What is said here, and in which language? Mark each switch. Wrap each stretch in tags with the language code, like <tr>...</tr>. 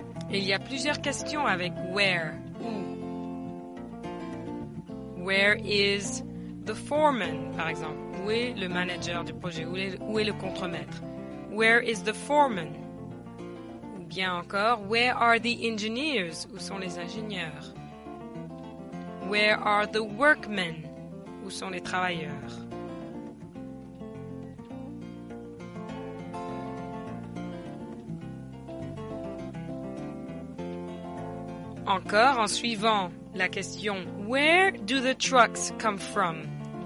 <fr>Il y a plusieurs questions avec where, où.</fr> <en>Where is the foreman,</en> <fr>par exemple? Où est le manager du projet? Où est le contremaître?</fr> <en>Where is the foreman?</en> <fr>Ou bien encore,</fr> <en>where are the engineers?</en> <fr>Où sont les ingénieurs?</fr> <en>Where are the workmen?</en> <fr>Où sont les travailleurs? Encore en suivant la question «</fr> <en>Where do the trucks come from ?»</en>